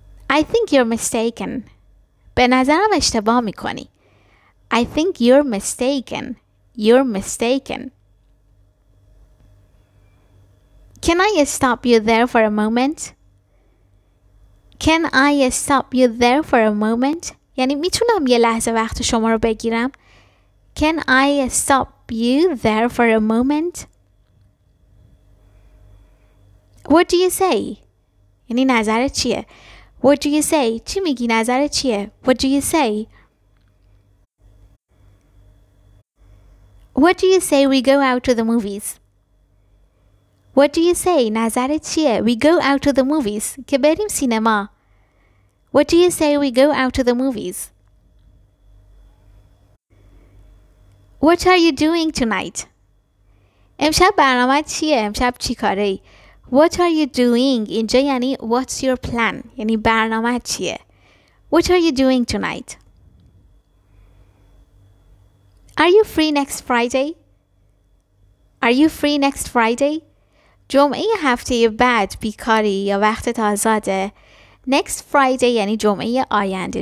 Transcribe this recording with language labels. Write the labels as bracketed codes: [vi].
[en] I think you're mistaken. [fa] به نظرم اشتباه میکنی. [en] I think you're mistaken. You're mistaken. Can I stop you there for a moment? Can I stop you there for a moment? [fa] یعنی میتونم یه لحظه وقت شما رو بگیرم. [en] Can I stop you there for a moment? What do you say? [fa] یعنی نظرت چیه؟ [en] What do you say? [fa] چی میگی؟ نظرت چیه؟ [en] What do you say? What do you say we go out to the movies? What do you say? [fa] نظرت چیه؟ [en] We go out to the movies. [fa] که بریم سینما. [en] What do you say we go out to the movies? What are you doing tonight? [fa] امشب برنامه چیه؟ امشب چی کاره ای؟ [en] What are you doing? [fa] اینجا یعنی [en] What's your plan? [fa] یعنی برنامه چیه؟ [en] What are you doing tonight? Are you free next Friday? Are you free next Friday? [fa] جمعه هفته بعد بیکاری یا وقتت آزاده. [en] Next Friday [fa] یعنی جمعه آینده.